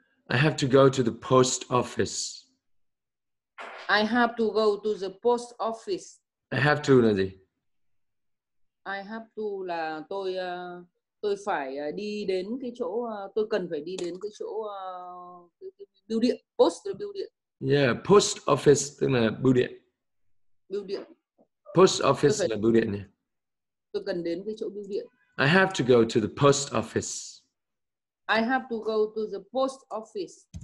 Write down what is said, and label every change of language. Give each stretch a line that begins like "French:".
English: I have to go to the post office. I have to go to the post office. I have to
Vietnamese: là gì?
English: I have to
Vietnamese: là tôi phải đi đến cái chỗ tôi cần phải đi đến cái chỗ bưu điện, post là bưu điện. Yeah, post office tức là bưu điện. Bưu điện. Post office là bưu điện nha. Tôi cần đến cái chỗ bưu điện.
English: I have to go to the post office. I have to go to the post office.